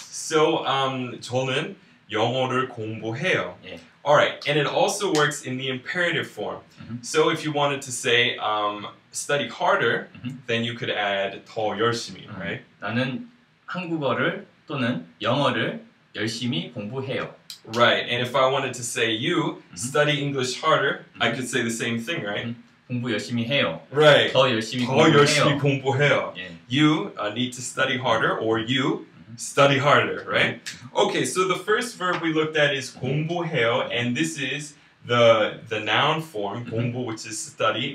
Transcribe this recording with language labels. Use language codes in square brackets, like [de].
[ko] So 저는 영어를 공부해요. Yeah. [en] All right. And it also works in the imperative form. Mm-hmm. So if you wanted to say study harder, mm-hmm. then you could add [ko] 더 열심히, mm-hmm. [en] right? [ko] 나는 한국어를 또는 영어를 열심히 공부해요. [en] Right, and if I wanted to say you mm-hmm. study English harder, mm-hmm. I could say the same thing, right? [ko] Mm-hmm. 공부 열심히 해요. [en] Right. [ko] 더 열심히 더 공부해요. 열심히 공부해요. Yeah. [en] You need to study harder, or you study harder, right? Mm-hmm. Okay, so the first verb we looked at is 공부해요, and this is the noun form, 공부, which is study,